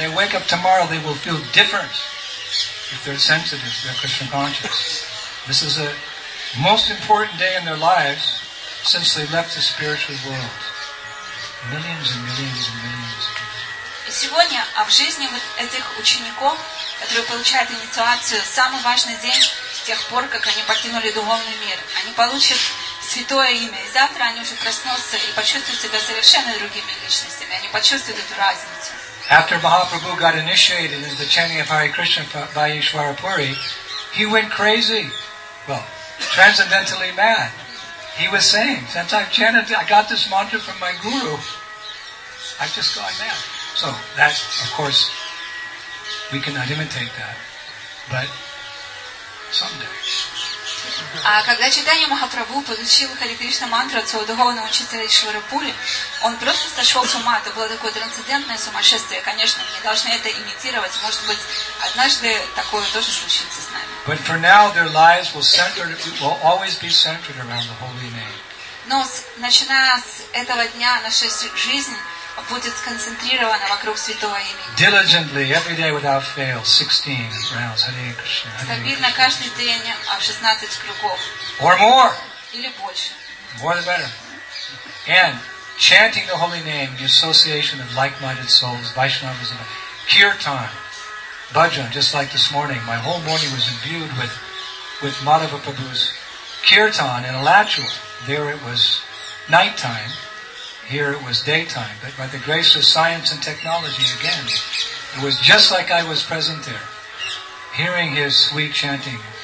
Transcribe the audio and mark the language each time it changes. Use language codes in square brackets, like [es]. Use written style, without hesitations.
[en] When they wake up tomorrow, they will feel different if they're sensitive, they're Krishna conscious. This is the most important day in their lives since they left the spiritual world. Millions and millions and millions. [ru] И сегодня в жизни вот этих учеников, которые получают инициацию, самый важный день с тех пор, как они покинули духовный мир. Они получат святое имя, и завтра они уже проснутся и почувствуют себя совершенно другими личностями. Они почувствуют эту разницу. [en] After Mahaprabhu got initiated in the chanting of Hare Krishna by Ishwarapuri, he went crazy. Well, transcendentally mad. He was saying, since I've chanted, I got this mantra from my guru, I've just gone mad. So that, of course, we cannot imitate that, but someday. [ru] Когда читание Махапрабху получил Хари Кришна мантру от своего духовного учителя Ишварапури, он просто сошел с ума. Это было такое трансцендентное сумасшествие. Конечно, мы не должны это имитировать. Может быть, однажды такое тоже случится с нами. [en] But for now, their lives will always be centered around the holy name. [ru] Но начиная с этого дня, наша жизнь будет сконцентрирована вокруг святого имени. [en] Diligently, every day without fail, 16 rounds, Hare Krishna, Hare Krishna. [ru] Стабильно каждый день, 16 кругов. [en] Or more. [ru] Или больше. [en] More the better. And chanting the holy name, the association of like-minded souls, Vaishnavas, kirtan, bhajan, just like this morning, my whole morning was imbued with Madhava Prabhu's kirtan and Alachua. There it was nighttime. Here it was daytime, but by the grace of science and technology, again, it was just like I was present there, hearing his sweet chanting.